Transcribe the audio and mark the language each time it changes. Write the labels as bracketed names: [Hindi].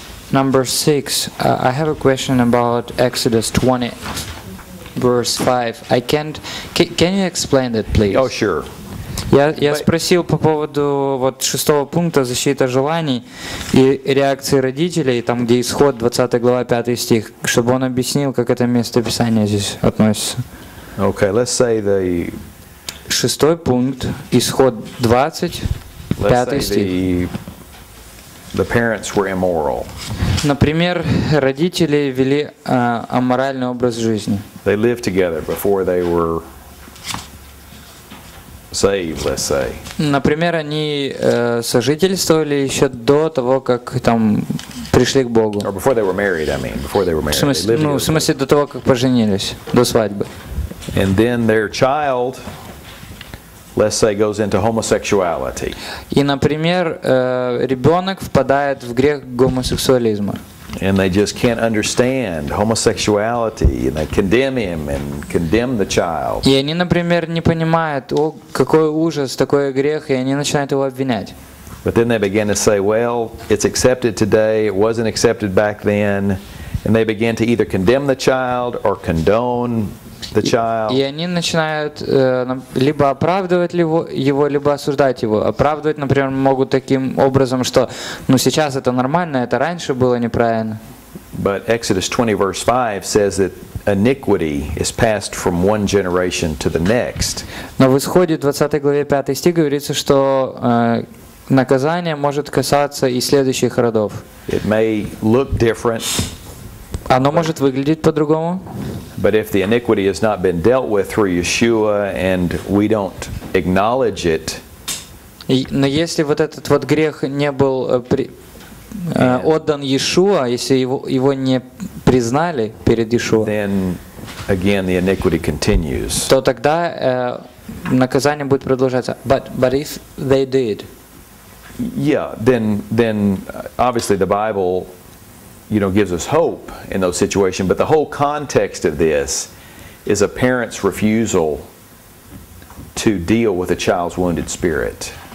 [English] Number six, I have a question about Exodus 20, verse 5. I can't, can you explain that, please? Oh, sure. [Russian] Я спросил по поводу вот шестого пункта «Защита желаний» и реакции родителей, там где исход, 20 глава, 5 стих, чтобы он объяснил, как это место Писания здесь относится. [English] Okay, let's say the [Russian] шестой пункт, исход 20, пятый стих. [English] The parents were immoral. [Russian] Например, родители вели аморальный образ жизни. [English] They lived together before they were saved, let's say. [Russian] Например, они сожительствовали еще до того, как там пришли к Богу. [English] Or before they were married, I mean, before they were married. [Russian] В смысле до того, как поженились, до свадьбы. [English] And then their child let's say, goes into homosexuality. [Russian] И, например, ребенок впадает в грех гомосексуализма. [English] And they just can't understand homosexuality, and they condemn him and condemn the child. [Russian] И они, например, не понимают, о, какой ужас, такой грех, и они начинают его обвинять. [English] But then they begin to say, well, it's accepted today, it wasn't accepted back then. And they begin to either condemn the child or condone the child. [Russian] И они начинают либо оправдывать его, либо осуждать его. Оправдывать, например, могут таким образом, что ну сейчас это нормально, это раньше было неправильно. [English] But Exodus 20 verse 5 says that iniquity is passed from one generation to the next. [Russian] Но в Исходе 20 главе 5 стих говорится, что наказание может касаться и следующих родов. [English] It may look different. [Russian] Оно может выглядеть по-другому. [English] But if the iniquity has not been dealt with through Yeshua and we don't acknowledge it, [Russian] но если вот этот вот грех не был отдан Yeshua, если его не признали перед Yeshua, [English] then again the iniquity continues. [Russian] То тогда наказание будет продолжаться. [English] But if they did, yeah, then obviously the Bible, you know, gives us hope in those situations, but the whole context of this is a parent's refusal to deal with a child's wounded spirit.